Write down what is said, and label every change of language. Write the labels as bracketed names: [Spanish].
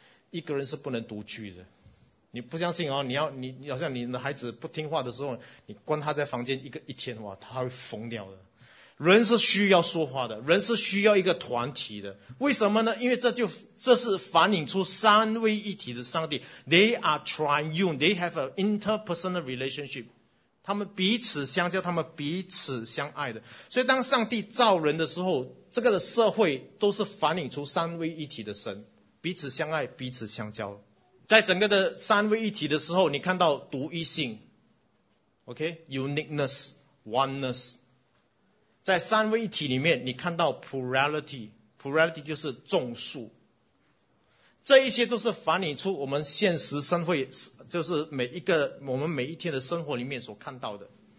[Chinese] 一个人是不能独居的。你不相信哦？你好像你的孩子不听话的时候，你关他在房间一天，哇，他会疯掉的。人是需要说话的，人是需要一个团体的。为什么呢？因为这是反映出三位一体的上帝。 [English] They are triune, they have an interpersonal relationship. [Chinese] 他们彼此相交，他们彼此相爱的。所以当上帝造人的时候，这个的社会都是反映出三位一体的神，彼此相爱，彼此相交。在整个的三位一体的时候，你看到独一性 ，OK， uniqueness， oneness， 在三位一体里面，你看到 plurality， plurality 就是众数，这一些都是反映出我们现实生活，就是每一个我们每一天的生活里面所看到的。